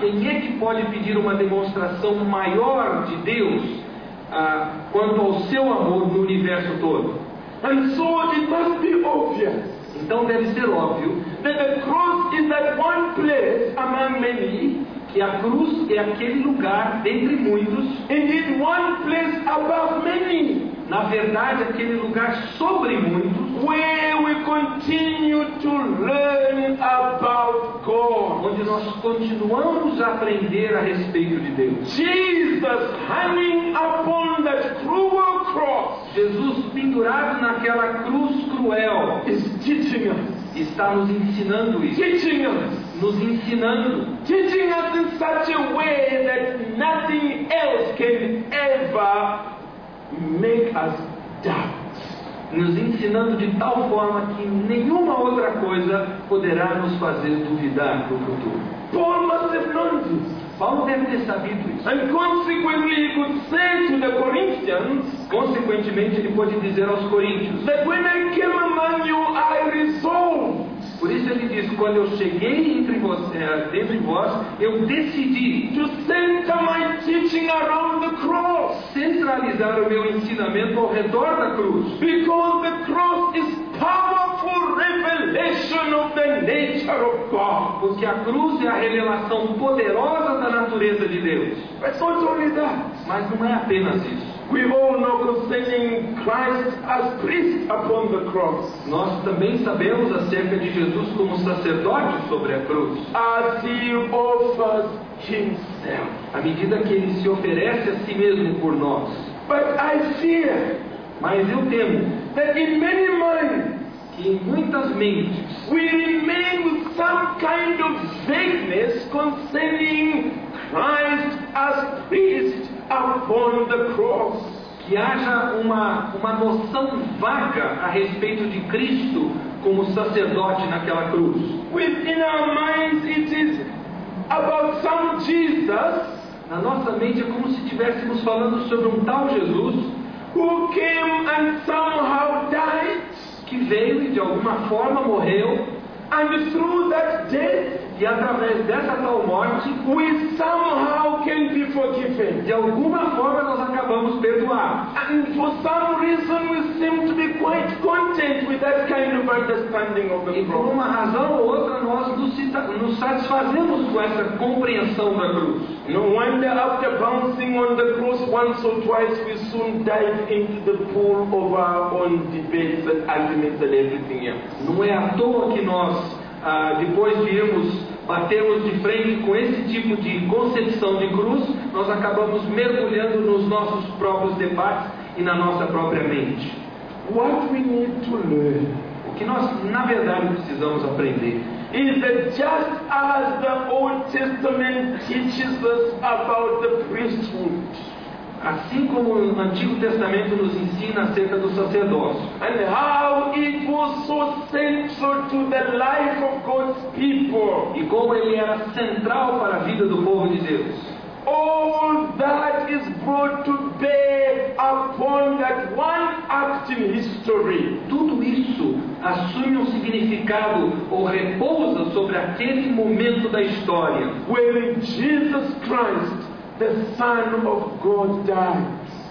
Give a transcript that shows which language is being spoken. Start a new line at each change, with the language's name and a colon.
Portuguese: Quem é que pode pedir uma demonstração maior de Deus quanto ao seu amor no universo todo?
English: And so it must be obvious.
Portuguese: Então deve ser óbvio.
English: That the cross is that one place among many.
Portuguese: Que a cruz é aquele lugar dentre muitos.
English: Indeed, one place above many.
Portuguese: Na verdade, aquele lugar sobre muitos.
English: Where we continue to learn about God.
Portuguese: Onde nós continuamos a aprender a respeito de Deus.
English: Jesus hanging upon that cruel cross.
Portuguese: Jesus pendurado naquela cruz. Samuel
English: is teaching us.
Portuguese: Está nos ensinando isso.
English: Teaching us.
Portuguese: Nos ensinando.
English: Teaching us in such a way that nothing else can ever make us doubt.
Portuguese: Nos ensinando de tal forma que nenhuma outra coisa poderá nos fazer duvidar do futuro.
English: Paul must have known this.
Portuguese: Paulo deve ter sabido isso.
English: And consequently, he could say to the Corinthians,
Portuguese: consequentemente, ele pode dizer aos Coríntios,
English: that when I came among you, I resolved.
Portuguese: Por isso ele diz, quando eu cheguei entre dentro de vós, eu decidi
English: to center my teaching around the cross.
Portuguese: Centralizar o meu ensinamento ao redor da cruz.
English: Because the cross is powerful revelation of the nature of God.
Portuguese: Porque a cruz é a revelação poderosa da natureza de Deus.
English: But not only that.
Portuguese: Mas não é apenas isso.
English: We all know concerning Christ as priest upon the cross.
Portuguese: Nós também sabemos acerca de Jesus como sacerdote sobre a cruz.
English: As he offers himself.
Portuguese: À medida que ele se oferece a si mesmo por nós.
English: But I fear.
Portuguese: Mas eu temo.
English: That in many minds.
Portuguese: Que em muitas mentes.
English: We remain with some kind of vagueness concerning Christ as priest. Upon the cross.
Portuguese: Que haja uma noção vaga a respeito de Cristo como sacerdote naquela cruz.
English: Within our minds it is about some Jesus.
Portuguese: Na nossa mente é como se estivéssemos falando sobre um tal Jesus
English: who came and somehow died.
Portuguese: Que veio e de alguma forma morreu.
English: And through that death,
Portuguese: e através dessa tal morte,
English: we somehow can be forgiven.
Portuguese: De alguma forma nós acabamos perdoados.
English: And for some reason we seem to be quite content with that kind of understanding of the cross.
Portuguese: E por uma razão ou outra nós nos satisfazemos com essa compreensão da cruz.
English: No wonder after bouncing on the cross once or twice, we soon dive into the pool of our own debates and arguments and everything else.
Portuguese: Não é à toa que nós, depois de irmos batermos de frente com esse tipo de concepção de cruz, nós acabamos mergulhando nos nossos próprios debates e na nossa própria mente.
English: What we need to learn.
Portuguese: O que nós, na verdade, precisamos aprender.
English: Is that just as the Old Testament teaches us about the priesthood?
Portuguese: Assim como o Antigo Testamento nos ensina acerca do sacerdócio.
English: And how it was so central to the life of God's people.
Portuguese: E como ele era central para a vida do povo de Deus.
English: All that is brought to bear upon that one act in history.
Portuguese: Tudo isso assume um significado ou repousa sobre aquele momento da história.
English: Where Jesus Christ, the Son of God, died.